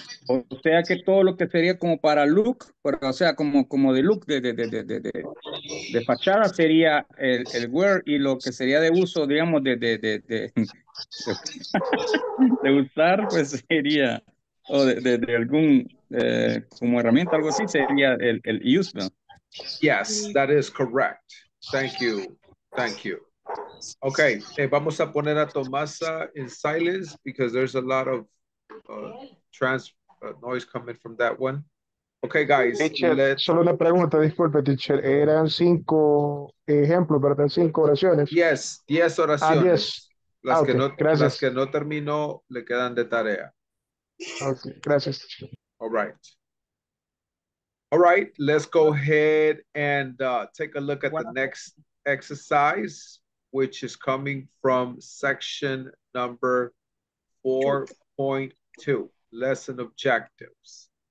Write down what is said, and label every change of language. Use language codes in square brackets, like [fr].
[es] O sea que todo lo que sería como para look, pero, o sea, como de look de fachada sería el wear, y lo que sería de uso, digamos, de usar, pues sería, o de algún, como herramienta, algo así, sería el use, ¿no? [en] Yes, that is correct. Thank you. Thank you. Okay, [es] vamos a poner a Tomasa [en] in silence because there's a lot of noise coming from that one. Okay, guys. [es] Solo una pregunta, disculpe, teacher. Eran cinco ejemplos, ¿verdad? Cinco oraciones. Yes, 10 oraciones. Ah, 10. Las, okay, no, gracias. Las que no terminó, le quedan de tarea. Okay, gracias. [en] All right. All right, let's go ahead and take a look at the next exercise, which is coming from section number 4.2, lesson objectives.